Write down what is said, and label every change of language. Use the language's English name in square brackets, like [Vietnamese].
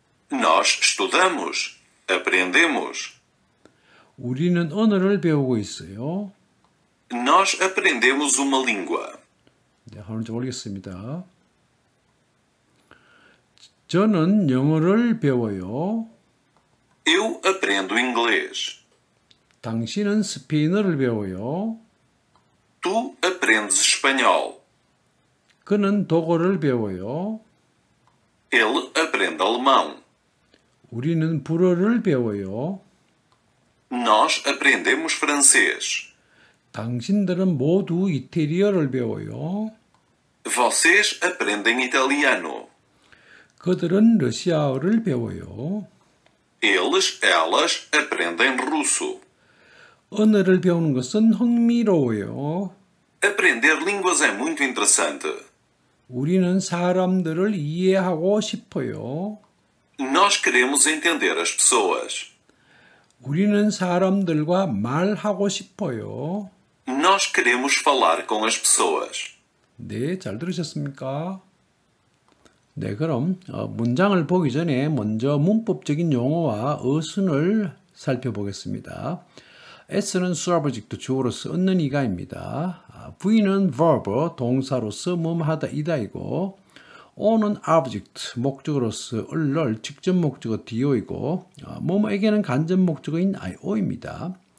[Portuguese] Nós estudamos, aprendemos. [Korean] 우리는 언어를 배우고 있어요. [Portuguese] Nós aprendemos uma língua. [Korean] 네, 한번 좀 올리겠습니다. 저는 영어를 배워요. [Portuguese] Eu aprendo inglês. [Korean] 당신은 스페인어를 배워요. [Portuguese] Tu aprendes espanhol. [Korean] 그는 독어를 배워요. [Portuguese] Ele aprende alemão. [Korean] 우리는 불어를 배워요. [Portuguese] Nós aprendemos francês. [Korean] 당신들은 모두 이태리어를 배워요. [Portuguese] Vocês aprendem italiano. [Korean] 그들은 러시아어를 배워요. [Portuguese] Eles, elas aprendem russo. [Korean] 언어를 배우는 것은 흥미로워요. [Portuguese] Aprender línguas é muito interessante. [Korean] 우리는 사람들을 이해하고 싶어요. [Portuguese] Nós queremos entender as pessoas. [Korean] 우리는 사람들과 말하고 싶어요. [Portuguese] Nós queremos falar com as pessoas. [Korean] 네, 잘 들으셨습니까? 네, 그럼 문장을 보기 전에 먼저 문법적인 용어와 어순을 살펴보겠습니다. S는 수화부직도 주어로 쓰는 이가입니다. V는 verb, 동사로서 뭐뭐하다 이다이고 O는 object, 목적으로서 을을 직접 목적어 do이고 뭐뭐에게는 간접 목적어인 io입니다.